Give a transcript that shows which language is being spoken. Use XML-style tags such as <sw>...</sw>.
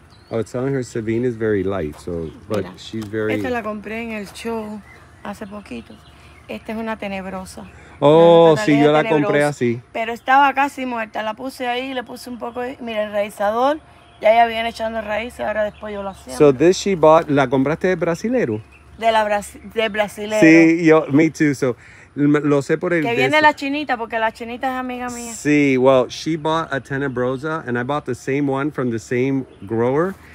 <en>I was telling her Sebin is very light, so, but</en> <es>mira,</es> <en>she's very.</en> <es>Esta la compré en el show hace poquito. Esta es una tenebrosa. Oh, una sí, yo la compré así. Pero estaba casi muerta. La puse ahí, le puse un poco. Mira, el raizador. Ya ella viene echando raíces. Ahora después yo la siembro.</es> <en>So this she bought.</en> <es>¿La compraste de brasilero? De brasilero. Sí, yo,</es> <en>me too.</en> <es>So, lo sé por el. Que viene la chinita, porque la chinita es amiga mía.</es> <en>Sí, well, she bought a tenebrosa. And I bought the same one from the same grower.</en>